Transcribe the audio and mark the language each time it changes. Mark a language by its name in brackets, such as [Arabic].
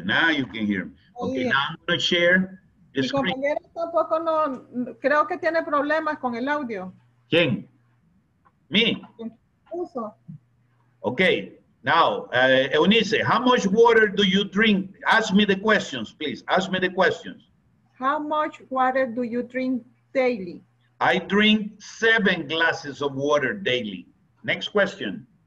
[English] Okay, now I'm going to share the screen. [Spanish] Mi compañera tampoco no, creo que tiene problemas con el audio. ¿Quién? Me. Uso. [English] Okay, now, Eunice, how much water do you drink? Ask me the questions, please. Ask me the questions. How much water do you drink daily? I drink 7 glasses of water daily. Next question.